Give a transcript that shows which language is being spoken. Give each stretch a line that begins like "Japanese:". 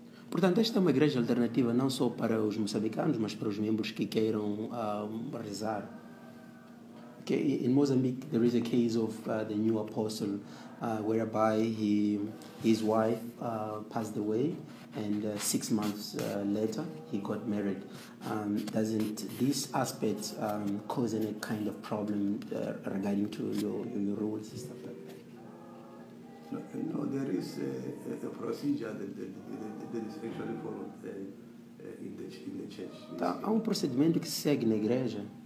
Portuguese: Portanto, esta é uma igreja alternativa não só para os moçambicanos, mas para os membros que queiram rezar.
English: Okay, in Mozambique there is a case of the new apostle whereby his wife passed away and 6 months later he got married. Doesn't this aspect cause any kind of problem regarding to your rules and stuff like that? No, there is a procedure that is actually followed in the church.
Portuguese: Há um procedimento que se segue na igreja.